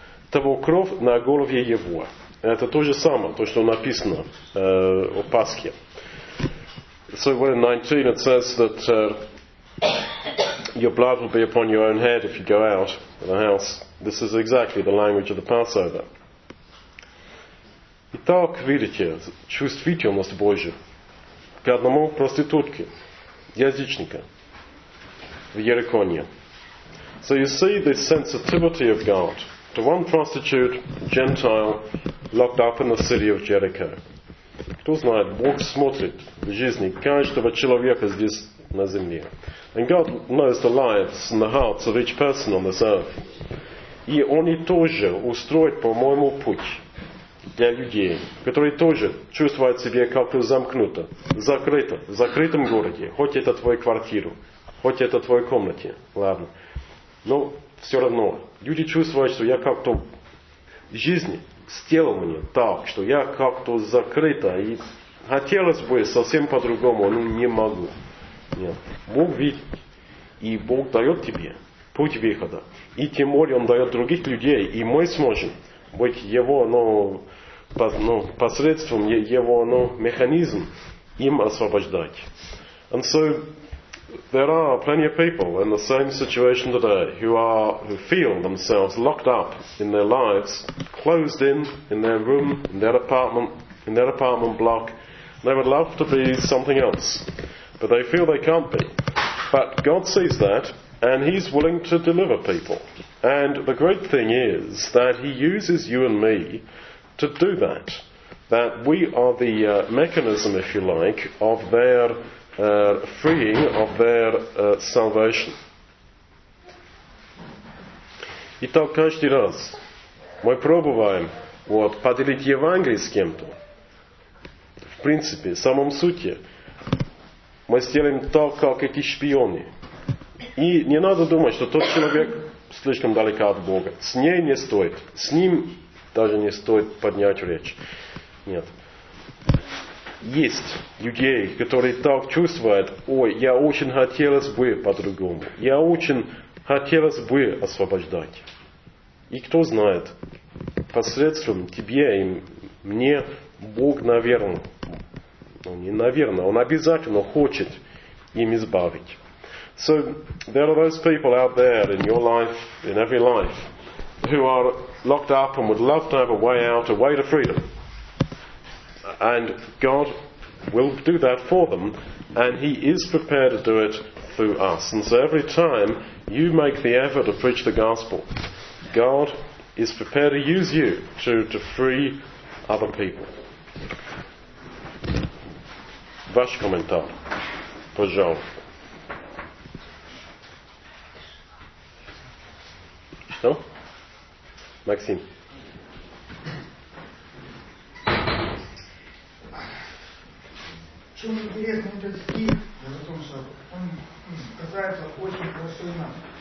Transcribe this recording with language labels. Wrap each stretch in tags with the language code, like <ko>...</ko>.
<ru>Того кровь на голове его. Это то же самое, то, что написано о Пасхе.</ru> <en>So, when in 19 it says that your blood will be upon your own head if you go out of the house. This is exactly the language of the Passover.</en> <ru>Итак, видите, чувствительность Божья к одному проститутке, язычнику в Иероконе.</ru> <en>So you see the sensitivity of God to one prostitute, Gentile, locked up in the city of Jericho.</en> <ru>Кто знает, Бог смотрит в жизни каждого человека здесь на земле.</ru> <en>And God knows the lives and the hearts of each person on this earth.</en> <ru>И Он и тоже устроит, по-моему, путь для людей, которые тоже чувствуют себя как-то замкнуто, закрыто, в закрытом городе, хоть это твоя квартира, хоть это твоя комната, ладно. Но все равно, люди чувствуют, что я как-то жизнь сделала мне так, что я как-то закрыто, и хотелось бы совсем по-другому, но не могу. Нет. Бог видит, и Бог дает тебе путь выхода, и тем более Он дает других людей, и мы сможем быть его, посредством его, механизм им освобождать.</ru> <en>And so there are plenty of people in the same situation today who feel themselves locked up in their lives, closed in their room, in their apartment block. They would love to be something else, but they feel they can't be. But God sees that, and He's willing to deliver people. And the great thing is that He uses you and me to do that. That we are the mechanism, if you like, of their freeing, of their salvation.</en> <ru>Итак, каждый раз мы пробуем поделить Евангелие с кем-то. В принципе, в самом сути, мы сделаем то, как эти шпионы. И не надо думать, что тот человек слишком далеко от Бога. С ней не стоит. С ним даже не стоит поднять речь. Нет. Есть людей, которые так чувствуют, ой, я очень хотелось бы по-другому. Я очень хотелось бы освобождать. И кто знает, посредством тебе и мне Бог, Он обязательно хочет им избавить.</ru> <en>So there are those people out there in your life, in every life, who are locked up and would love to have a way out, a way to freedom. And God will do that for them, and He is prepared to do it through us. And so every time you make the effort to preach the gospel, God is prepared to use you to free other people.</en> <ru>Ваш комментар, пожалуйста. Что? Максим. В чем интересно этот стих, даже о том, что он касается очень хорошо нас.</ru>